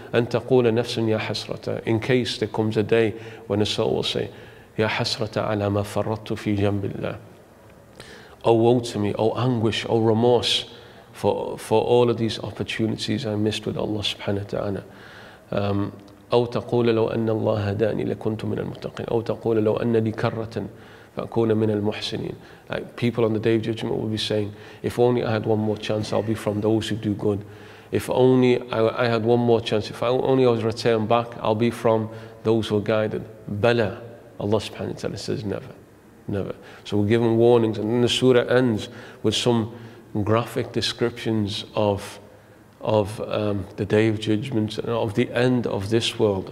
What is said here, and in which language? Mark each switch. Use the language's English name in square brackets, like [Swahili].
[Arabic] أَن تَقُولَ نَفْسٌ يَا حَسْرَةَ. [English] In case there comes a day when a soul will say, [Arabic] يَا حَسْرَةَ عَلَى مَا فَرَّطُ فِي جَنْبِ اللَّهِ. [English] Oh woe to me, oh anguish, oh remorse for all of these opportunities I missed with Allah subhanahu wa ta'ala. [Arabic] أو تقول لو أن الله هداني لكنت من المتقين، أو تقول لو أن لي كرة فأكون من المحسنين. [English] People on the day of judgment will be saying, if only I had one more chance, I'll be from those who do good. If only I had one more chance, if only I was returned back, I'll be from those who are guided. [Arabic] بلى. [English] Allah subhanahu wa ta'ala says never. Never. So we're given warnings, and then the surah ends with some graphic descriptions of the day of judgment and of the end of this world.